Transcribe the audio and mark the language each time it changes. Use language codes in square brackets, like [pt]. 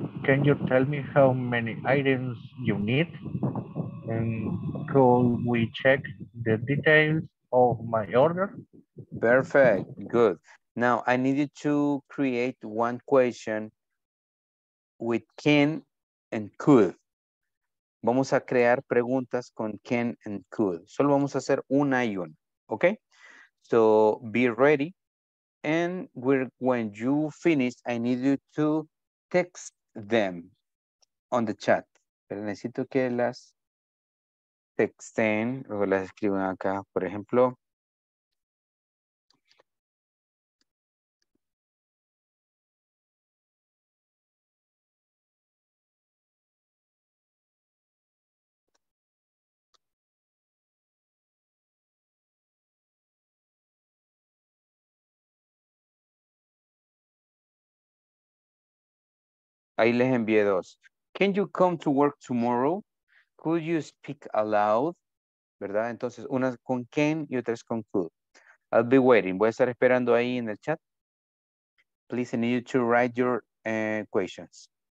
[en] Can you tell me how many items you need? And could we check the details of my order? Perfect. Good. Now, I need you to create one question with can and could. [es] Vamos a crear preguntas con can and could. Solo vamos a hacer una y una, ¿ok? [en] So, be ready. And when you finish, I need you to text them on the chat. [es] Pero necesito que las texten o las escriban acá, por ejemplo. Ahí les envié dos. [en] Can you come to work tomorrow? Could you speak aloud? [es] ¿Verdad? Entonces, una con can y otra con could. [en] I'll be waiting. [es] Voy a estar esperando ahí en el chat. [en] Please, I need you to write your questions.